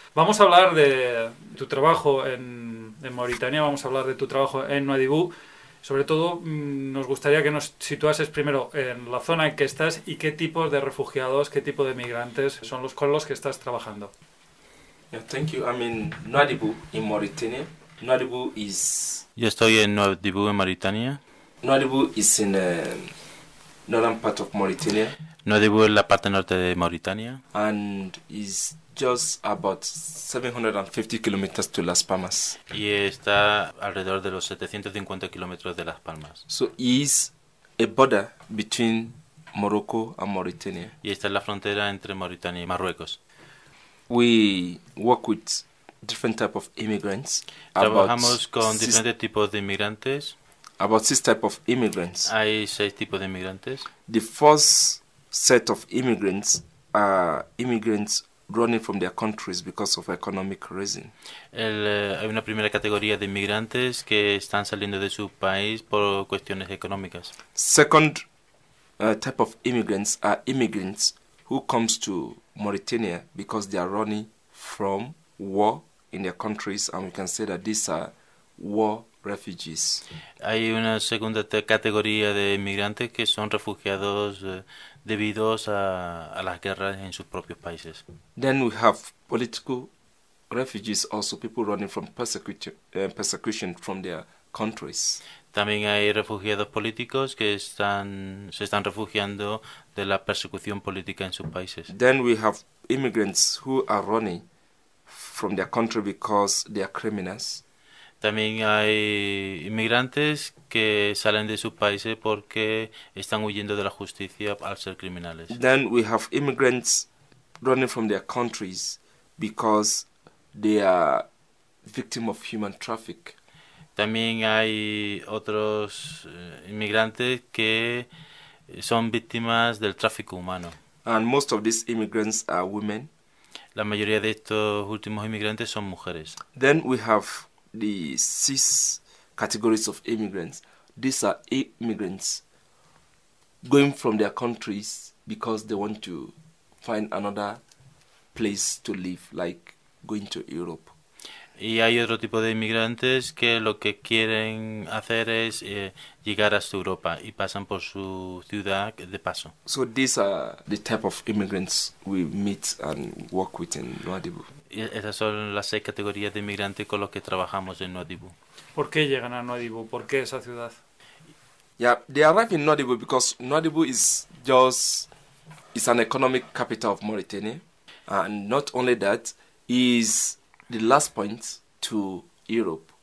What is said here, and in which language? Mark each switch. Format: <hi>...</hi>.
<es>Vamos a hablar de tu trabajo en Mauritania, vamos a hablar de tu trabajo en Nouadhibou. Sobre todo, nos gustaría que nos situases primero en la zona en que estás y qué tipo de refugiados, qué tipo de migrantes son los con los que estás trabajando.</es> <en>Thank you. I'm in Nouadhibou in Mauritania. Nouadhibou is.</en> <es>Yo estoy en Nouadhibou en Mauritania.</es> <en>Nouadhibou is in the northern part of Mauritania.</en> <es>Nouadhibou es la parte norte de Mauritania.</es> <en>And is just about 750 kilometers to Las Palmas.</en> <es>Y está alrededor de los 750 kilómetros de Las Palmas.</es> <en>So is a border between Morocco and Mauritania.</en> <es>Y esta es la frontera entre Mauritania y Marruecos.</es> <en>We work with different type of immigrants.</en> <es>Trabajamos con diferentes tipos de inmigrantes.</es> <en>About six type of immigrants.</en> <es>Hay seis tipos de inmigrantes.</es> <en>The first set of immigrants are immigrants running from their countries because of economic reason.</en> <es>Hay una primera categoría de inmigrantes que están saliendo de su país por cuestiones económicas.</es> <en>Second type of immigrants are immigrants who comes to Mauritania because they are running from war in their countries, and we can say that these are war refugees.</en> <es>Hay una segunda categoría de inmigrantes que son refugiados debido a las guerras en sus propios países.</es> <en>Then we have political refugees, also people running from persecution from their countries.</en> <es>También hay refugiados políticos que se están refugiando de la persecución política en sus países.</es> <en>Then we have immigrants who are running from their country because they are criminals.</en> <es>También hay inmigrantes que salen de sus países porque están huyendo de la justicia al ser criminales.</es> <en>Then we have immigrants running from their countries because they are victim of human traffic.</en> <es>También hay otros inmigrantes que son víctimas del tráfico humano.</es> <en>And most of these immigrants are women.</en> <es>La mayoría de estos últimos inmigrantes son mujeres.</es> <en>Then we have the six categories of immigrants. These are immigrants going from their countries because they want to find another place to live, like going to Europe.</en> <es>Y hay otro tipo de inmigrantes que lo que quieren hacer es llegar hasta Europa y pasan por su ciudad de paso.</es> <en>So these are the type of immigrants we meet and work with in Nouadhibou.</en> <es>Y esas son las seis categorías de inmigrantes con los que trabajamos en Nouadhibou. ¿Por qué llegan a Nouadhibou? ¿Por qué esa ciudad?</es> <en>Yeah, they arrive in Nouadhibou because Nouadhibou is an economic capital of Mauritania, and not only that, is the last point to Europe.</en>